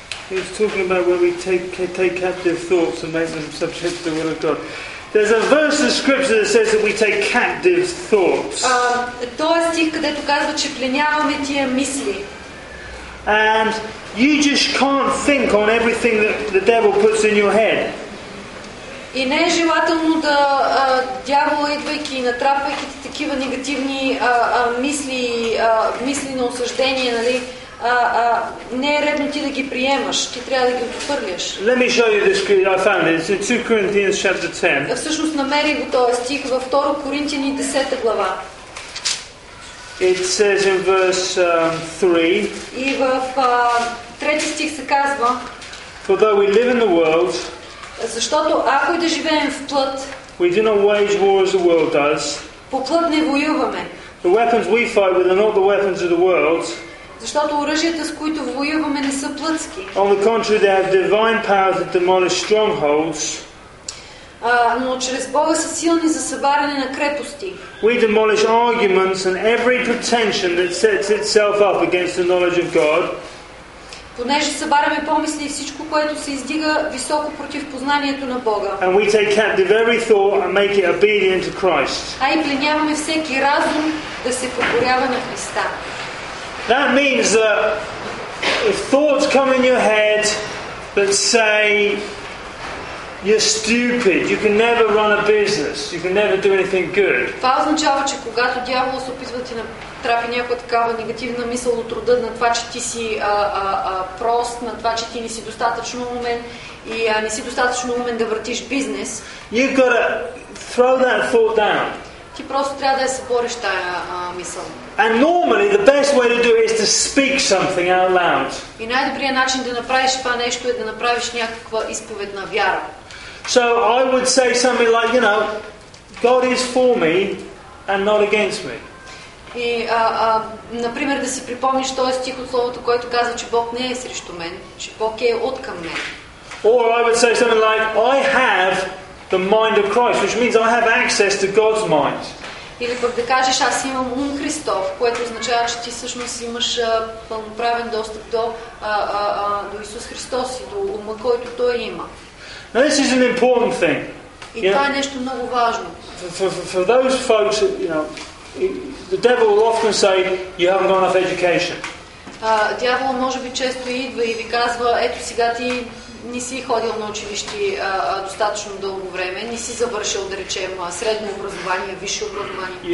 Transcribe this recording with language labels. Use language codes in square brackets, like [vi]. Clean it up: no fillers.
[en] He's talking about when we take captive thoughts and make them subject to the will of God. There's a verse of scripture that says that we take captive thoughts. [bg] Той стих, където казва, че пленяваме тия мисли. [en] And you just can't think on everything that the devil puts in your head. [bg] И не е желателно да дявола идвайки и натрапвайки такива негативни мисли, мисли на осъждение, нали? Не е редно ти да ги приемаш, ти трябва да ги отхвърляш. [en] Let me show you this scripture I found. It's in 2 Corinthians chapter 10. [bg] Всъщност намери го този стих във 2 Коринтияни 10 глава. [en] It says in verse 3. [bg] И в трети стих се казва. [en] For though we live in the world, [bg] защото ако и да живеем в плът, [en] we do not wage war as the world does. [bg] По плът не воюваме. [en] The weapons we fight with are not the weapons of the world. [bg] Защото оръжията, с които воюваме, не са плътски. [en] On the contrary, they have divine powers that demolish strongholds. [bg] Но чрез Бога са силни за събаряне на крепости. [en] We demolish arguments and every pretension that sets itself up against the knowledge of God. [bg] Понеже събаряме помисли и всичко, което се издига високо против познанието на Бога. [en] And we take captive every thought and make it obedient to Christ. [bg] А и пленяваме всеки разум да се покорява на Христа. [en] That means that if thoughts come in your head that say you're stupid, you can never run a business, you can never do anything good. [bg] Това означава, че когато дявол се опитва да ти натрапи някаква такава негативна мисъл от рода на това, че ти си прост, на това, че ти не си достатъчно умен и не си достатъчно умен да въртиш бизнес, [en] you've got to throw that thought down. [bg] Ти просто трябва да я събориш тая мисъл. [en] And normally the best way to do it is to speak something out loud. [bg] И най-добрият начин да направиш това нещо е да направиш някаква изповед на вяра. [en] So I would say something like, you know, God is for me and not against me. [bg] И например да си припомниш този стих от словото, който казва, че Бог не е срещу мен, че Бог е от към мен. [en] Or I would say something like, I have the mind of Christ, which means I have access to God's mind. [bg] Или пък да кажеш, аз имам ум Христов, което означава, че ти всъщност имаш пълноправен достъп до Исус Христос и до ума, който Той има. [en] Now this is an important thing. [bg] И това е нещо много важно. [en] For those folks, that, you know, the devil will often say, you haven't got enough education. [bg] Дявол може би често идва и ви казва, ето сега ти не си ходил на училище достатъчно дълго време, не си завършил, да речем, средно образование, висше образование.